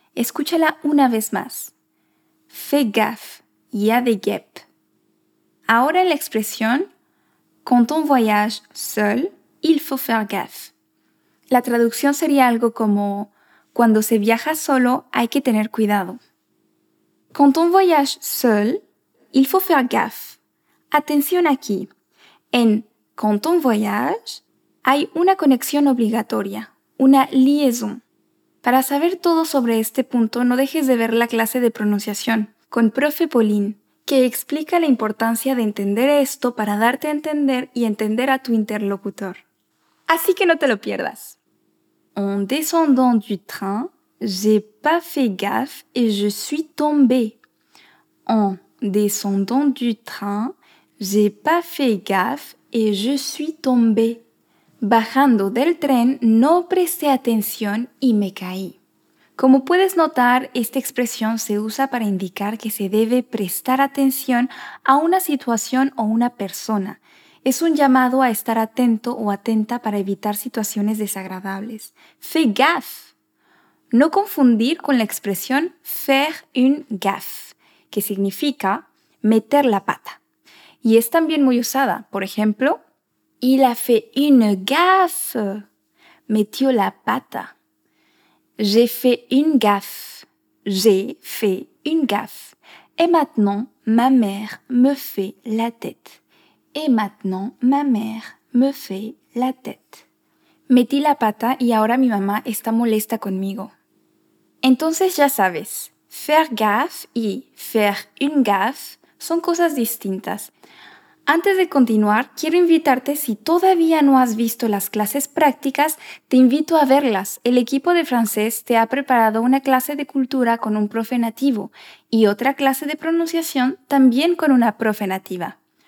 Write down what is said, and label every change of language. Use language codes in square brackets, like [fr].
[es] Escúchala una vez más. [fr] Fais gaffe, y a de guêpe. [es] Ahora la expresión [fr] quand on voyage seul, il faut faire gaffe. [es] La traducción sería algo como cuando se viaja solo, hay que tener cuidado. [fr] Quand on voyage seul, il faut faire gaffe. [es] Atención aquí. En [fr] quand on voyage, [es] hay una conexión obligatoria, una liaison. Para saber todo sobre este punto, no dejes de ver la clase de pronunciación con profe Pauline, que explica la importancia de entender esto para darte a entender y entender a tu interlocutor. Así que no te lo pierdas. [fr] En descendant du train, j'ai pas fait gaffe et je suis tombé. En descendant du train, j'ai pas fait gaffe et je suis tombé. [es] Bajando del tren, no presté atención y me caí. Como puedes notar, esta expresión se usa para indicar que se debe prestar atención a una situación o una persona. Es un llamado a estar atento o atenta para evitar situaciones desagradables. [fr] Fais gaffe. [es] No confundir con la expresión [fr] faire une gaffe, [es] que significa meter la pata. Y es también muy usada. Por ejemplo, [fr] il a fait une gaffe. [es] Metió la pata. [fr] J'ai fait une gaffe. J'ai fait une gaffe. Et maintenant, ma mère me fait la tête. Et maintenant, ma mère me fait la tête. [es] Metí la pata y ahora mi mamá está molesta conmigo. Entonces ya sabes, [fr] faire gaffe [es] y [fr] faire une gaffe [es] son cosas distintas. Antes de continuar, quiero invitarte, si todavía no has visto las clases prácticas, te invito a verlas. El equipo de francés te ha preparado una clase de cultura con un profe nativo y otra clase de pronunciación también con una profe nativa.